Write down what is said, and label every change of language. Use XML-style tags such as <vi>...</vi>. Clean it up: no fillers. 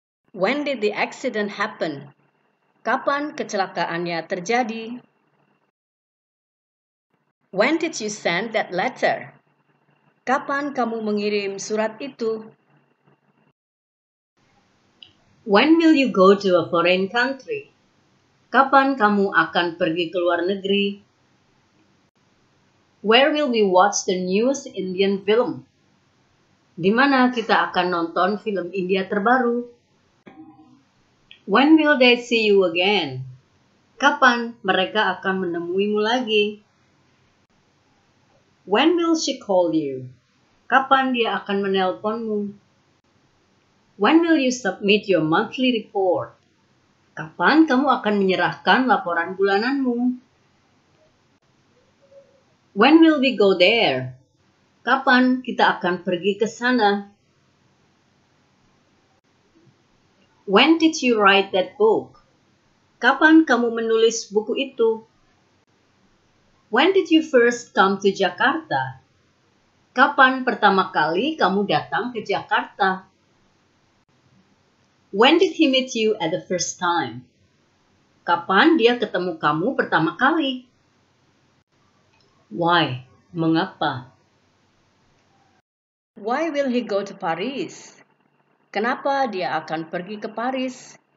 <en>When did the accident happen?</en> <id>Kapan kecelakaannya terjadi?</id> <en>When did you send that letter?</en> <id>Kapan kamu mengirim surat itu?</id> <en>When will you go to a foreign country?</en> <id>Kapan kamu akan pergi ke luar negeri?</id> <en>Where will we watch the newest Indian film?</en> <id>Di mana kita akan nonton film India terbaru?</id> <en>When will they see you again?</en> <id>Kapan mereka akan menemuimu lagi?</id> <en>When will she call you?</en> <id>Kapan dia akan menelponmu?</id> <en>When will you submit your monthly report?</en> <id>Kapan kamu akan menyerahkan laporan bulananmu?</id> <en>When will we go there?</en> <id>Kapan kita akan pergi ke sana?</id> <en>When did you write that book?</en> <id>Kapan kamu menulis buku itu?</id> <en>When did you first come to Jakarta?</en> <id>Kapan pertama kali kamu datang ke Jakarta?</id> <en>When did he meet you at the first time?</en> <id>Kapan dia ketemu kamu pertama kali?</id> <en>Why?</en> <id>Mengapa?</id> <en>Why will he go to Paris?</en> <id>Kenapa dia akan pergi ke Paris?</id>